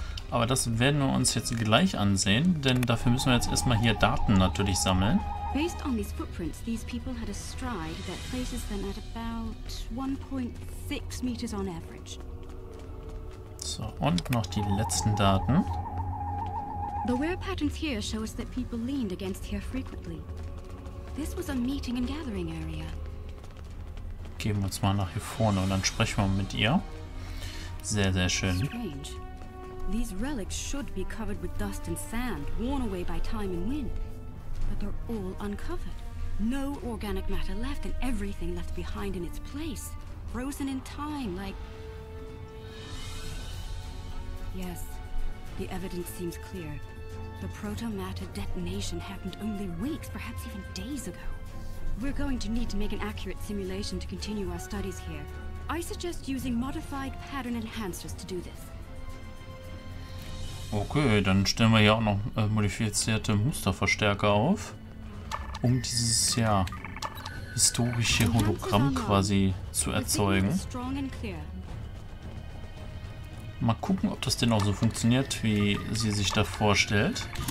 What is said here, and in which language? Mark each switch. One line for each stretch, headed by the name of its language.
German: Aber das werden wir uns jetzt gleich ansehen, denn dafür müssen wir jetzt erstmal hier Daten natürlich sammeln.
English: Based on these footprints, these people had a stride that places them at about 1.6 meters on average.
German: So, und noch die letzten Daten.
English: The wear patterns here show us that people leaned against here frequently. This was a meeting and gathering area.
German: Gehen wir uns mal nach hier vorne und dann sprechen wir mit ihr. Sehr, sehr schön.
English: Strange. These relics should be covered with dust and sand, worn away by time and wind. But they're all uncovered. No organic matter left, and everything left behind in its place. Frozen in time, like... Yes, the evidence seems clear. The proto-matter detonation happened only weeks, perhaps even days ago. We're going to need to make an accurate simulation to continue our studies here. I suggest using modified pattern enhancers to do this.
German: Okay, dann stellen wir hier auch noch modifizierte Musterverstärker auf, um dieses, ja, historische Hologramm quasi zu erzeugen. Mal gucken, ob das denn auch so funktioniert, wie sie sich da vorstellt.